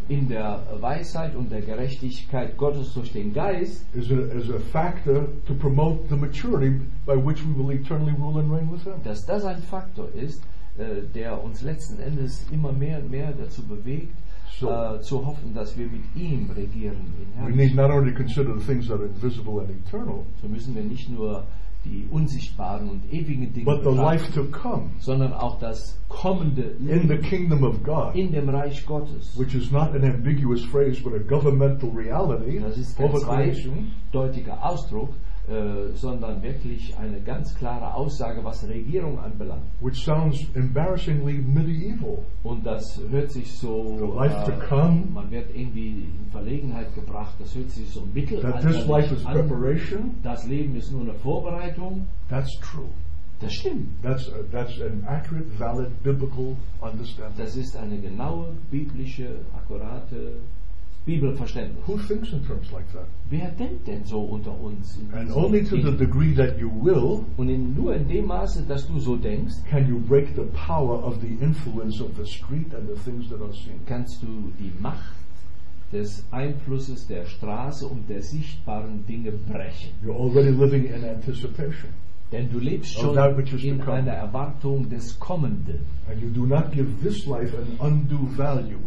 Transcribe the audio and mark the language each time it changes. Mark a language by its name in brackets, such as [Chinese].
[German] in der Weisheit und der Gerechtigkeit Gottes durch den Geist, [English] is a factor to promote the maturity by which we will eternally rule and reign with Him. [German] Dass das ein Faktor ist, der uns letzten Endes immer mehr und mehr dazu bewegt, zu hoffen, dass wir mit ihm regieren. [English] We need not only consider the things that are invisible and eternal, [German] so müssen wir nicht nur die unsichtbaren und ewigen Dinge [English] but the life to come, [German] sondern auch das kommende Leben [English] in the kingdom of God, [German] in dem Reich Gottes, [English] which is not an ambiguous phrase, but a governmental reality. [German] Das ist kein zweideutiger Ausdruck, sondern wirklich eine ganz klare Aussage, was Regierung anbelangt. [English] Which sounds embarrassingly medieval. [German] Und das hört sich so, [English] the life to come, [German] man wird irgendwie in Verlegenheit gebracht, das hört sich so mittelalterlich an. [English] Preparation. [German] Das Leben ist nur eine Vorbereitung. [English] That's true. [German] Das stimmt. [English] That's an accurate, valid, biblical understanding. [German] Das ist eine genaue, biblische, akkurate Bibelverständnis. [English] Who thinks in terms like that? [German] Wer denkt denn so unter uns? [English] And only to the degree that you will, [German] und nur in dem Maße, dass du so denkst, [English] can you break the power of the influence of the street and the things that are seen. [German] Kannst du die Macht des Einflusses der Straße und der sichtbaren Dinge brechen? [English] You're already living in anticipation. [German] Denn du lebst schon in einer Erwartung des Kommenden. [English] And you do not give this life an undue value.